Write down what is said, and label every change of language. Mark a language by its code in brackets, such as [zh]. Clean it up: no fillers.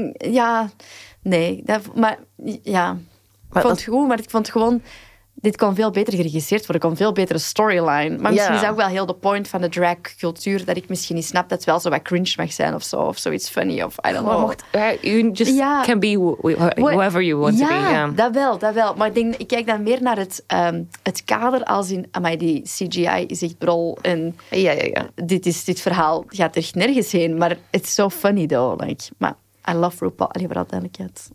[nl] Ja, nee. Maar ik vond het goed, maar ik vond het gewoon... Dit kon veel beter geregisseerd worden, kon veel betere storyline. Maar misschien is dat ook wel heel de point van de dragcultuur dat ik misschien niet snap dat het wel zo wat cringe mag zijn of zo. Of zoiets funny of [en] I don't know. Can be whoever you want to be. [nl] Ja, dat wel. Maar ik kijk dan meer naar het kader als in... Amai, die CGI is echt brol. En dit verhaal gaat echt nergens heen. Maar het is zo funny, [en] though. [nl] Maar... [en] I love RuPaul. [nl] Allee, vooral duidelijkheid.